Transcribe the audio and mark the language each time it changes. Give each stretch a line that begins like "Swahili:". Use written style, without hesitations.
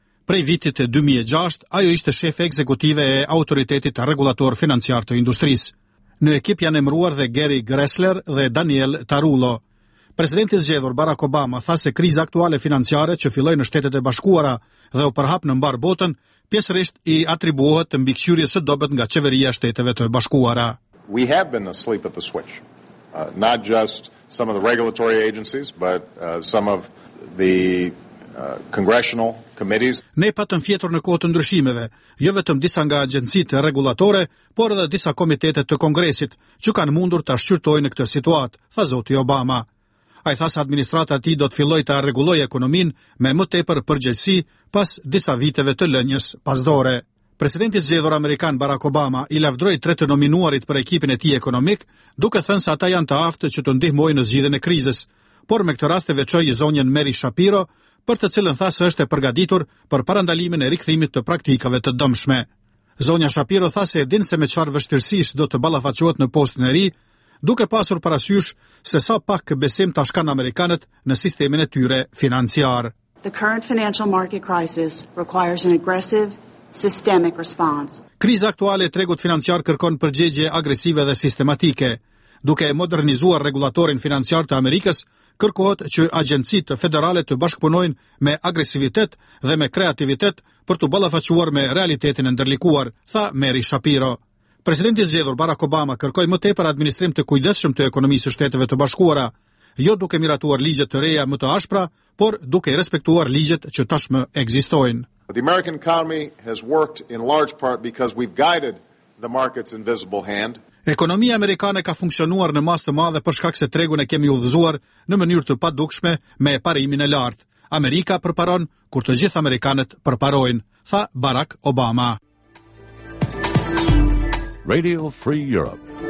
Albanian: Prej vitit 2006, ajo ishte shefe ekzekutive e autoritetit regulator financiar të industrisë. Në ekip janë emëruar dhe Gary Gressler dhe Daniel Tarullo. Presidenti zgjedhur Barack Obama tha se kriza aktuale financiare që filloi në Shtetet e Bashkuara dhe u përhap në mbar botën, pjesërisht i atribuohet të mbikëqyrjes së dobët nga qeveria e Shteteve të Bashkuara.
English: We have been asleep at the switch, not just some of the regulatory agencies, but some of the congressional committees.
Albanian: Ne patëm fjetur në kohë të ndryshimeve, jo vetëm disa nga agjencitë regulatore, por edhe disa komitete të kongresit, që kanë mundur të shqyrtojnë në këtë situatë, tha zoti Obama. Ai tha se administrata e tij do të filloj të rregulloj ekonominë me më tepër përgjegjësi pas disa viteve të lënjes pasdore. Presidenti zgjedhur amerikan Barack Obama i lavdroi tre të nominuarit për ekipin e tij ekonomik, duke thënë se ata janë të aftë që të ndihmojnë në zgjidhjen e krizës, por me këtë rast e veçoi zonjën Mary Shapiro, për të cilën tha se është e përgatitur për parandalimin e rikthimit të praktikave të dëmshme. Zonja Shapiro tha se e din se me çfarë vështirësish do të ballafaqohet në postin e ri, duke pasur parasysh se sa pak besim tash kanë amerikanët në sistemin e tyre financiar.
English: The current financial market crisis requires an aggressive systemic response.
Albanian: Kriza aktuale e tregut financiar kërkon përgjegje agresive dhe sistematike. Duke e modernizuar regulatorin financiar të Amerikës, kërkohet që agjencitë federale të bashkëpunojnë me agresivitet dhe me kreativitet për të ballafaquar me realitetin e ndërlikuar, tha Mary Shapiro. Presidenti i zgjedhur Barack Obama kërkoi më tepër administrim të kujdesshëm të ekonomisë së Shteteve të Bashkuara, jo duke miratuar ligjet të reja më të ashpra, por duke respektuar ligjet që tashmë ekzistojnë.
English: The American economy has worked in large part because we've guided the market's invisible hand.
Albanian: Ekonomia amerikane ka funksionuar në masë të madhe për shkak se tregun e kemi udhëzuar në mënyrë të padukshme me parimin e lartë. Amerika përparon kur të gjithë amerikanët përparojnë, tha Barack Obama.
English: Radio Free Europe.